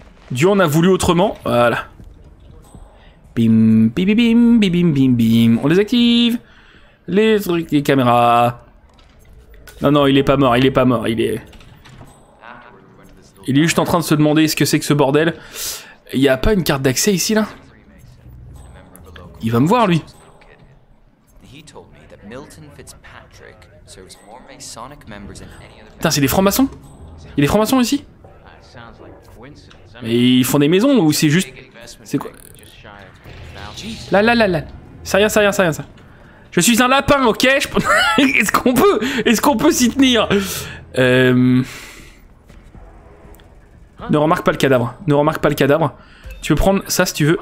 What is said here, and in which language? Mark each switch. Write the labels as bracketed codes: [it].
[fr] Dieu en a voulu autrement. Voilà. Bim, bim, bim, bim, bim, bim, bim, bim. On les active. Les trucs, les caméras. Non, non, il est pas mort, il est pas mort. Il est... Il est juste en train de se demander ce que c'est que ce bordel. Y a pas une carte d'accès ici, là? Il va me voir, lui. [en] Milton Fitzpatrick serves more Masonic members than any other. [fr] Putain, c'est des francs-maçons? Il y a des francs-maçons ici? Mais ils font des maisons ou c'est juste. C'est quoi? Là, là, là, là. C'est rien, c'est rien, c'est rien, ça. Je suis un lapin, ok? Je... Est-ce qu'on peut? Est-ce qu'on peut s'y tenir? Ne remarque pas le cadavre. Ne remarque pas le cadavre. Tu peux prendre ça si tu veux.